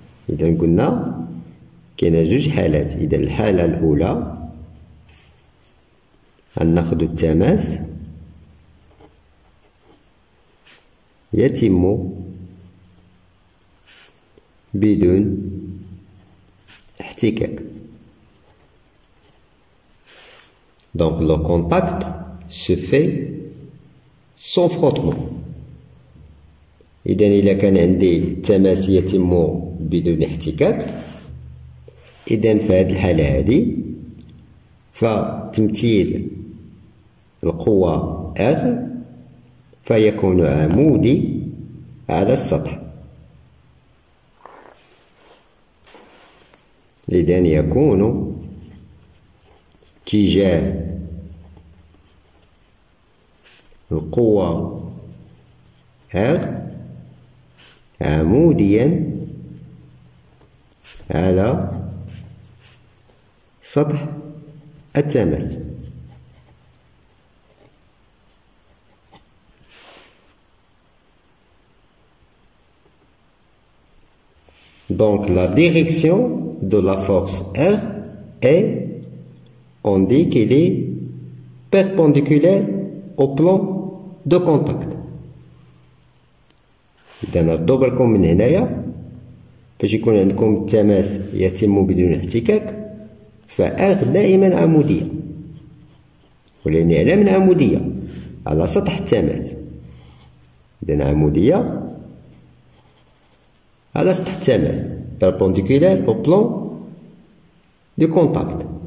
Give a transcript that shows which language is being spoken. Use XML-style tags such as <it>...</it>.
<ar>إذن قلنا كاينة جوج حالات. إذن الحالة الأولى ناخذ التماس، يتم بدون احتكاك.</ar> <fr>Donc le contact se fait sans frottement.</fr> <ar>إذن إذا كان عندي تماس يتم بدون احتكاك، إذن في هذه الحالة هذه فتمثيل القوة R فيكون عمودي على السطح، إذن يكون اتجاه القوة R عموديا على سطح التماس.</ar> <fr>Donc la direction de la force R est, on dit qu'elle est perpendiculaire au plan de contact.</fr> <ar>إذا نضربكم من هنايا باش يكون عندكم التماس يتم بدون احتكاك، فأغ دائما عمودية، ولأن على من عمودية على سطح التماس، إذا عمودية على سطح التماس</ar> <fr>perpendiculaire au plan de contact.</fr>